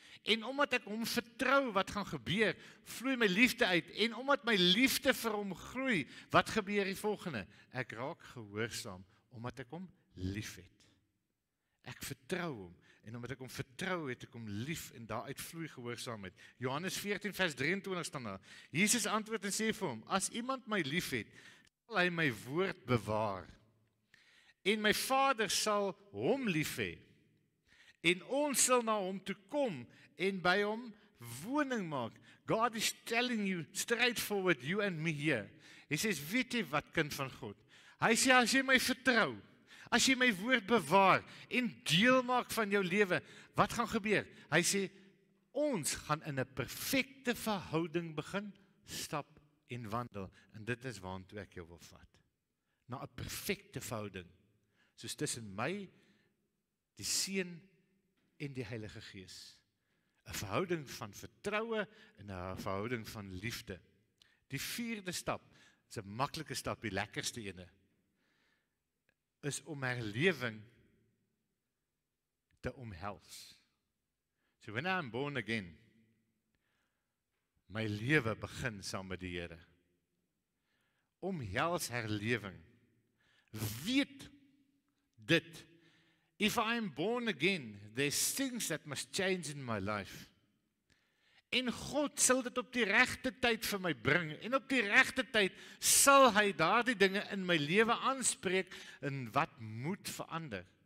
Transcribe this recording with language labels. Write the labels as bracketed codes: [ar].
[af] En omdat ek hom vertrou wat gaan gebeur, vloei my liefde uit. En omdat my liefde vir hom groei, wat gebeur die volgende? Ek raak gehoorsaam, omdat ek hom lief het. Ek vertrou hom. En omdat ek hom vertrou het, ek hom lief en daaruit vloei gehoorsaamheid. Johannes 14 vers 23 staan daar. Jesus antwoord en sê vir hom, as iemand my lief het, sal hy my woord bewaar. En my vader sal hom lief hê. En ons sal na hom toe kom en by hom woning maak. [en] God is telling you straightforward, you and me here. [af] Hy sê, weet jy wat kind van God? Hy sê, as jy my vertrou, as jy my woord bewaar en deel maak van jou leven, wat gaan gebeur? Hy sê, ons gaan in 'n perfekte verhouding begin, stap en wandel. En dit is waarom ek jou wil vat. Na 'n perfekte verhouding, soos tussen my, die Seun en die Heilige Gees. Een verhouding van vertroue en een verhouding van liefde. Die vierde stap, is een makkelijke stap, die lekkerste ene, is om herleving te omhels. [en] So when I'm born again, [af] my lewe begin saam met die Here. Omhels herleving. Weet dit. [en] If I'm born again, there's things that must change in my life. [af] En God sal dit op die regte tyd vir my bring, en op die regte tyd sal hy daar die dinge in my lewe aanspreek, en wat moet verander.